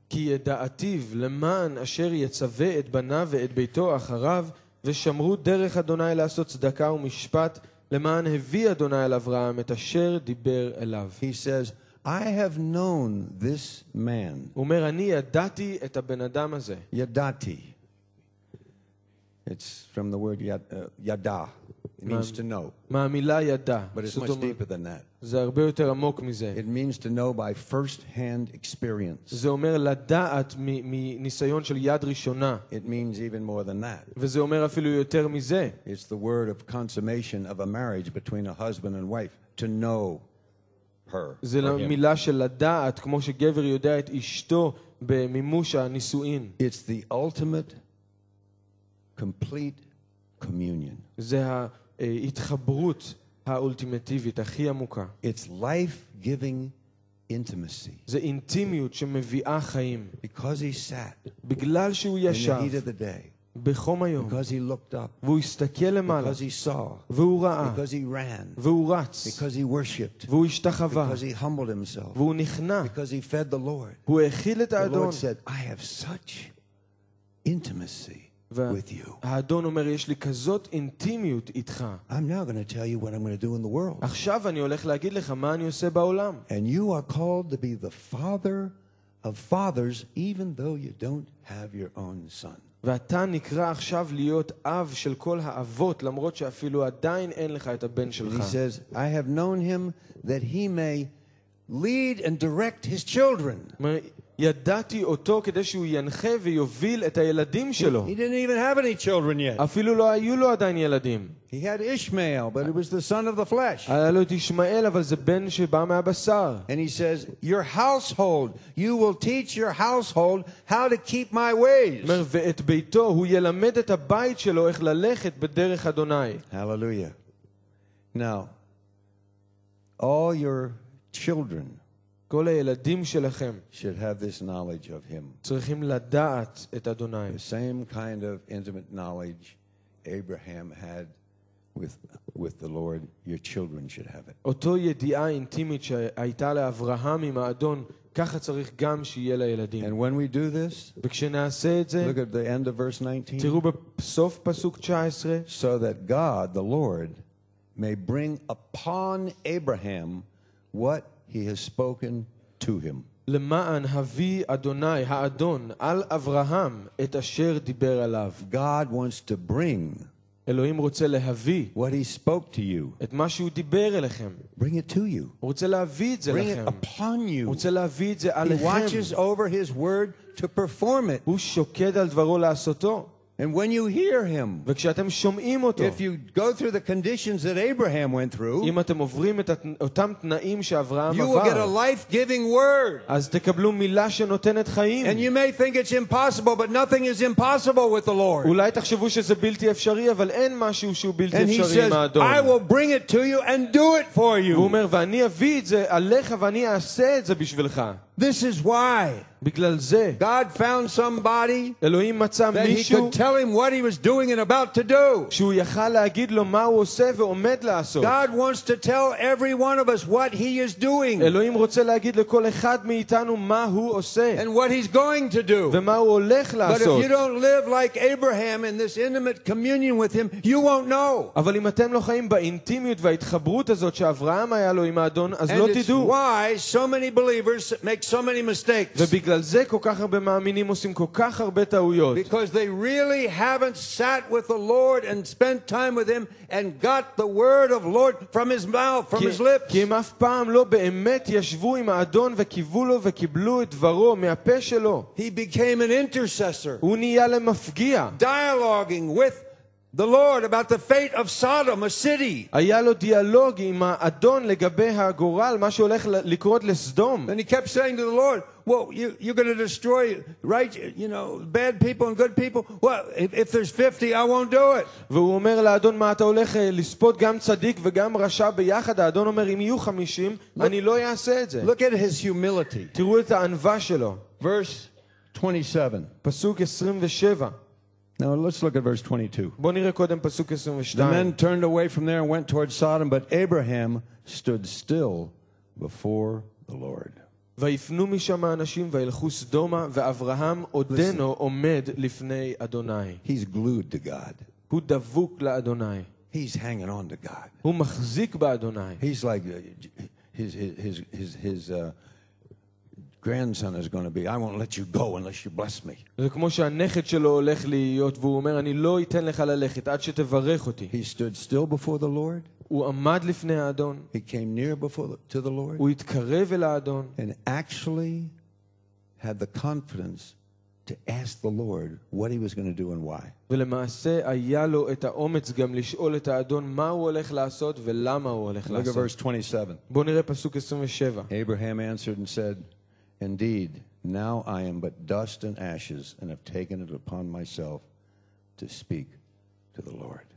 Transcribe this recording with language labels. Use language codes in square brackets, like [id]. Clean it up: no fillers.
[he] כי ידעתיו למען אשר יצווה את בניו ואת ביתו אחריו, ושמרו דרך אדוני לעשות צדקה ומשפט למען הביא אדוני אל אברהם את אשר דיבר אליו. [en] He says, I have known this man. [he] הוא אומר, אני ידעתי את הבן אדם הזה. ידעתי. [en] It's from the word ידע. It means to know. [he] מה המילה ידע? [en] But it's much deeper than that. [he] זה הרבה יותר עמוק מזה. [en] It means to know by first-hand experience. [he] זה אומר לדעת מניסיון של יד ראשונה. [en] It means even more than that. [he] וזה אומר אפילו יותר מזה. [en] It's the word of consummation of a marriage between a husband and wife, to know her. [he] זה המילה של לדעת, כמו שגבר יודע את אשתו במימוש הנישואין. [en] It's the ultimate, complete communion. [he] זה ההתחברות האולטימטיבית, הכי עמוקה. [en] It's life-giving intimacy. [he] זה אינטימיות שמביאה חיים. [en] Because he sat. [he] בגלל שהוא ישב. [en] In the heat of the day. [he] בחום היום. [en] Because he looked up. [he] והוא הסתכל למעלה. [en] Because he saw. [he] והוא ראה. [en] Because he ran. [he] והוא רץ. [en] Because he worshipped. [he] והוא השתחווה. [en] Because he humbled himself. [he] והוא נכנע. [en] Because he fed the Lord. [he] הוא האכיל את האדון. [en] The Lord said, I have such intimacy. [he] האדון אומר, יש לי כזאת אינטימיות איתך. [en] I'm now going to tell you what I'm going to do in the world. [he] עכשיו אני הולך להגיד לך מה אני עושה בעולם. [en] And you are called to be the father of fathers even though you don't have your own son. [he] ואתה נקרא עכשיו להיות אב של כל האבות למרות שאפילו עדיין אין לך את הבן שלך. [en] He says, I have known him that he may lead and direct his children. [he] ידעתי אותו כדי שהוא ינחה ויוביל את הילדים שלו. [en] He didn't even have any children yet. [he] אפילו לא היו לו עדיין ילדים. [en] He had Ishmael, but it was the son of the flesh. [he] היה לו את ישמעאל, אבל זה בן שבא מהבשר. [en] And he says, your household, you will teach your household how to keep my ways. [he] אומר, ואת ביתו, הוא ילמד את הבית שלו איך ללכת בדרך אדוני. [en] Hallelujah. Now, all your children, [he] כל הילדים שלכם [en] should have this knowledge of him. [he] צריכים לדעת את אדוני. [en] The same kind of intimate knowledge Abraham had with the Lord, your children should have it. [he] אותו ידיעה אינטימית שהייתה לאברהם עם האדון, ככה צריך גם שיהיה לילדים. [en] And when we do this, [he] וכשנעשה את זה, [en] look at the end of verse 19. [he] תראו בסוף פסוק 19, [en] so that God, the Lord, may bring upon Abraham what he has spoken to him. [he] למען הביא אדוני האדון על אברהם את אשר דיבר עליו. [en] God wants to bring. [he] אלוהים רוצה להביא. [en] What he spoke to you. [he] את מה שהוא דיבר אליכם. [en] Bring it to you. [he] הוא רוצה להביא את זה [en] bring [he] לכם. [en] It upon you. [he] הוא רוצה להביא את זה [en] he [he] עליכם. [en] He watches over his word to perform it. [he] הוא שוקד על דברו לעשותו. [en] And when you hear him, [he] וכשאתם שומעים אותו, [en] if you go through the conditions that Abraham went through, [he] אם אתם עוברים את אותם תנאים שאברהם עבר, [en] you will get a life-giving word. [he] אז תקבלו מילה שנותנת חיים. [en] And you may think it's impossible, but nothing is impossible with the Lord. [he] אולי תחשבו שזה בלתי אפשרי, אבל אין משהו שהוא בלתי אפשרי עם האדון. [en] And he says, I will bring it to you and do it for you. [he] הוא אומר, ואני אביא את זה עליך ואני אעשה את זה בשבילך. [en] This is why God found somebody [he] Elohim מצא מישהו [en] to tell him what he was doing and about to do. [he] שהוא יכל להגיד לו מה הוא עושה ועומד לעשות. [en] God wants to tell every one of us what he is doing. [he] Elohim רוצה להגיד לכל אחד מאיתנו מה הוא עושה. [en] And what he's going to do. [he] ומה הוא הולך לעשות. [en] But if you don't live like Abraham in this intimate communion with him, you won't know. [he] אבל אם אתם לא חיים באינטימיות וההתחברות הזאת שאברהם היה לו עם האדון, אז לא תדעו. [en] And it's why so many believers make so many mistakes. [he] ובגלל זה כל כך הרבה מאמינים עושים כל כך הרבה טעויות. [en] Because they really haven't sat with the Lord and spent time with him and got the word of Lord from his mouth, from his lips. [he] כי הם אף פעם לא באמת ישבו עם האדון וקיבלו לו וקיבלו את דברו מהפה שלו. [en] He became an intercessor. [he] הוא נהיה למפגיע. [en] Dialoguing with the Lord about the fate of Sodom, a city. [he] היה לו דיאלוג עם האדון לגבי הגורל, מה שהולך לקרות לסדום. [en] And he kept saying to the Lord, well, you're going to destroy, right, you know, bad people and good people. Well, if there's 50, I won't do it. [he] והוא אומר לאדון, מה אתה הולך לספוט גם צדיק וגם רשע ביחד? האדון אומר, אם יהיו 50, אני לא אעשה את זה. [en] Look at his humility. [he] תראו את הענווה שלו. [en] Verse 27. [he] פסוק 27. [en] Now let's look at verse 22. [he] בוא נראה קודם פסוק 22. [en] The men turned away from there and went towards Sodom, but Abraham stood still before the Lord. [he] ויפנו משם האנשים וילכו סדומה, ואברהם עודנו עומד לפני אדוני. [en] He's glued to God. [he] הוא דבוק לאדוני. [en] He's hanging on to God. [he] הוא מחזיק באדוני. [en] He's like his grandson is going to be, I won't let you go unless you bless me. [he] זה כמו שהנכד שלו הולך להיות והוא אומר, אני לא אתן לך ללכת עד שתברך אותי. [en] He stood still before the Lord. [he] הוא עמד לפני האדון. [en] He came near before to the Lord. [he] הוא התקרב אל האדון. [en] And actually had the confidence to ask the Lord what he was going to do and why. [he] ולמעשה היה לו את האומץ גם לשאול את האדון מה הוא הולך לעשות ולמה הוא הולך לעשות. [en] Look at verse 27. [he] בוא נראה פסוק 27. [en] Abraham answered and said, indeed, now I am but dust and ashes, and have taken it upon myself to speak to the Lord.